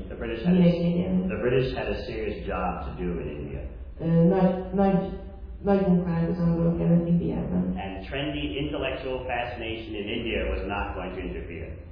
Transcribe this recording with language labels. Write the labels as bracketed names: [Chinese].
[English] The British had a serious job to do in India. [Hungarian] Nagy munkáját az angolok kellett Indiában. [English] And trendy intellectual fascination in India was not going to interfere.